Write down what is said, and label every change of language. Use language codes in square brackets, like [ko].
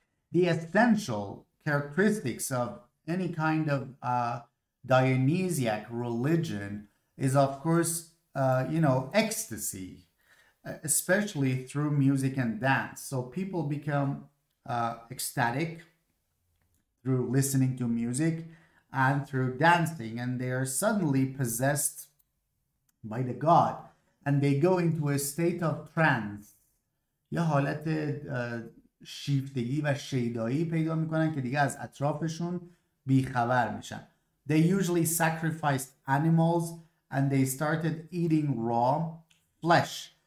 [en] The essential characteristics of any kind of Dionysiac religion is, of course, ecstasy, especially through music and dance. So people become ecstatic through listening to music and through dancing, and they are suddenly possessed by the god. And they go into a state of trance. [fa] یه حالت شیفتگی و شیدایی پیدا میکنن که دیگه از اطرافشون بی خبر میشن. [en] They usually sacrificed animals and they started eating raw flesh.